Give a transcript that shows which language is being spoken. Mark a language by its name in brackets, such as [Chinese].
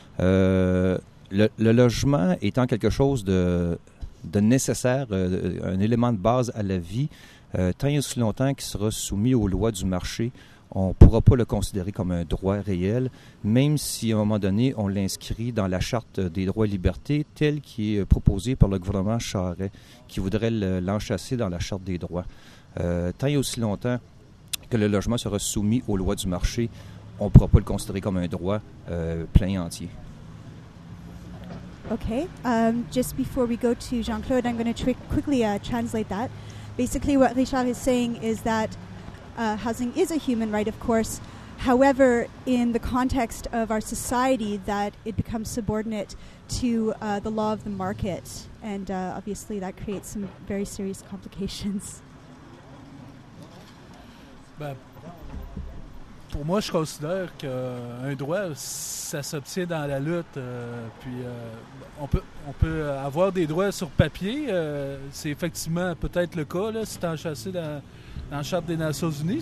[French] Le logement étant quelque chose de nécessaire, un élément de base à la vie, tant et aussi longtemps qu'il sera soumis aux lois du marché, on ne pourra pas le considérer comme un droit réel, même si à un moment donné, on l'inscrit dans la Charte des droits et libertés telle qui est proposée par le gouvernement Charest, qui voudrait l'enchasser dans la Charte des droits. Tant et aussi longtemps que le logement sera soumis aux lois du marché, on ne pourra pas le considérer comme un droit plein et entier. [English] OK. Just before we go to Jean-Claude, I'm going to quickly translate that. Basically, what Richard is saying is that housing is a human right, of course. However, in the context of our society, that it becomes subordinate to the law of the market. And obviously, that creates some very serious complications. [French] Ben, pour moi, je considère qu'un droit, ça s'obtient dans la lutte. Puis on peut avoir des droits sur papier. C'est effectivement peut-être le cas, là, si tu es enchâssé dans la Charte des Nations Unies.